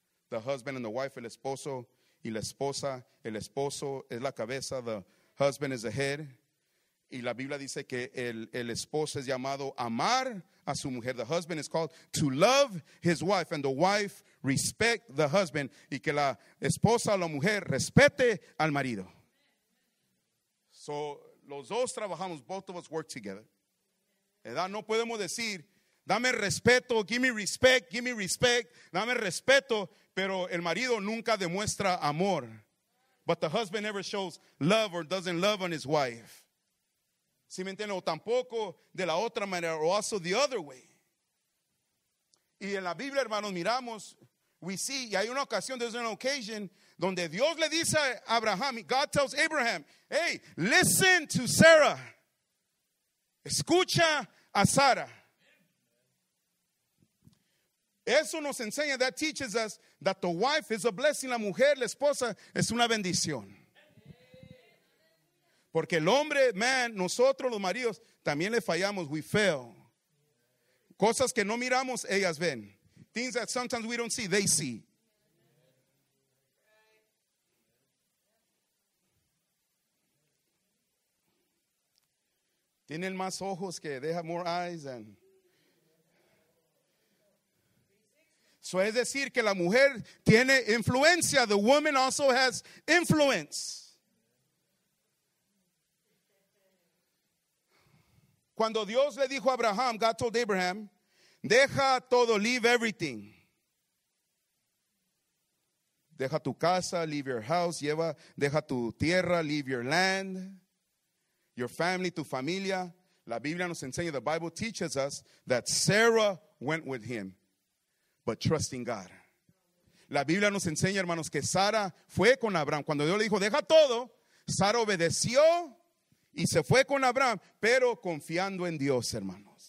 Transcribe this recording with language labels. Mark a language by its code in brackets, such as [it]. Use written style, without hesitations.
[en] The husband and the wife, [es] el esposo y la esposa, el esposo es la cabeza, [en] the husband is the head. [es] Y la Biblia dice que el esposo es llamado amar a su mujer. [en] The husband is called to love his wife, and the wife respect the husband. [es] Y que la esposa o la mujer respete al marido. [en] So, [es] los dos trabajamos, [en] both of us work together. ¿Verdad? [es] No podemos decir, dame respeto, [en] give me respect, [es] dame respeto. Pero el marido nunca demuestra amor. [en] But the husband never shows love or doesn't love on his wife. [es] ¿Sí me entiendes? O tampoco de la otra manera. [en] Or also the other way. [es] Y en la Biblia, hermanos, miramos. [en] We see. [es] Y hay una ocasión, [en] there's an occasion, [es] donde Dios le dice a Abraham, [en] God tells Abraham, hey, listen to Sarah. [es] Escucha a Sara. Eso nos enseña, [en] that teaches us that the wife is a blessing. [es] La mujer, la esposa, es una bendición. Porque el hombre, man, nosotros los maridos, también le fallamos. [en] We fail. [es] Cosas que no miramos, ellas ven. [en] Things that sometimes we don't see, they see. [es] Tienen más ojos que, [en] they have more eyes than. [es] So es decir que la mujer tiene influencia. [en] The woman also has influence. [es] Cuando Dios le dijo a Abraham, [en] God told Abraham, [es] deja todo, [en] leave everything. [es] Deja tu casa, [en] leave your house, [es] deja tu tierra, [en] leave your land, your family, [es] tu familia. La Biblia nos enseña, [en] the Bible teaches us that Sarah went with him, but trusting God. [es] La Biblia nos enseña, hermanos, que Sara fue con Abraham. Cuando Dios le dijo, deja todo, Sara obedeció y se fue con Abraham, pero confiando en Dios, hermanos.